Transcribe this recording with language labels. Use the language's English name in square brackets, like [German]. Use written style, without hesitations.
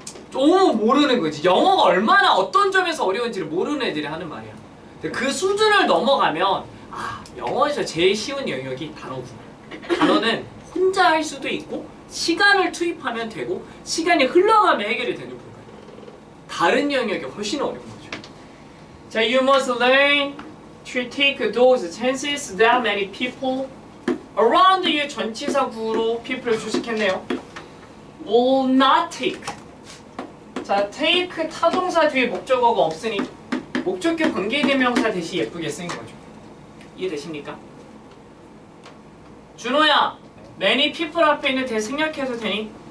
[Korean] 너무 모르는 거지. 영어가 얼마나 어떤 점에서 어려운지를 모르는 애들이 하는 말이야. 그 수준을 넘어가면 아, 영어에서 제일 쉬운 영역이 단어구나. 단어는 혼자 할 수도 있고 시간을 투입하면 되고 시간이 흘러가면 해결이 되는 부분. 다른 영역이 훨씬 어려운 거죠. [English] 자, you must learn to take those chances that many people around you, [Korean] 전치사 구로 people 주식했네요. [English] will not take. [Korean] 자, take 타동사 뒤에 목적어가 없으니 목적격 관계대명사 대신 예쁘게 쓰인 거죠. 이해되십니까? 준호야, many people 앞에 있는 대 생략해도 되니?